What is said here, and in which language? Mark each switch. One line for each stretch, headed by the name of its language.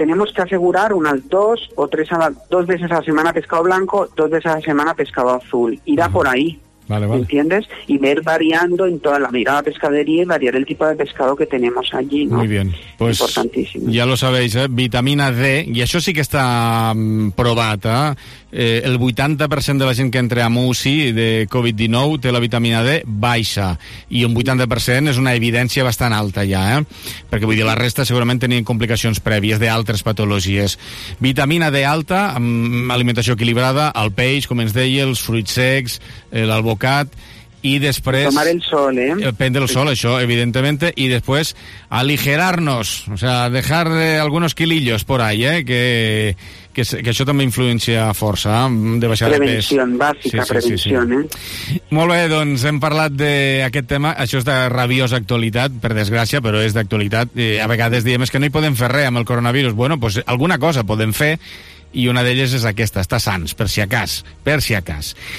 Spanish: Tenemos que asegurar unas dos o tres, dos veces a la semana pescado blanco, dos veces a la semana pescado azul. Irá por ahí. Vale. ¿Entiendes? Y ver variando en toda la mirada pescadería y variar el tipo de pescado que tenemos allí, ¿no? Muy bien, pues importantísimo. Ya lo sabéis, ¿eh? Vitamina D, y eso sí que está probada, ¿eh?
Catalan: El 80% de la gent que entra a UCI de COVID-19 té la vitamina D baixa, i un 80% és una evidència bastant alta ja, ¿eh? Perquè vull dir, la resta segurament tenien complicacions prèvies d'altres patologies. Vitamina D alta, alimentació equilibrada, el peix, com ens deia, els fruits secs, l'albocat,
Spanish: Y después... Tomar el sol, ¿eh?
Catalan: Prendre el sol,
Spanish: eso, evidentemente. Y después aligerarnos, o sea, dejar algunos quilillos por ahí, ¿eh?
Catalan: Que això també influencia força, de baixar prevenció, de pes. Prevenció, bàsica, sí, prevenció, sí. Molt bé, doncs hem parlat d'aquest tema. Això és de rabiosa actualitat, per desgràcia, però és d'actualitat. A vegades diem que no hi podem fer res amb el coronavirus.
Spanish: Bueno, pues
Catalan: alguna cosa podem fer, i una d'elles és aquesta, estar sans, per si acas, per si acas.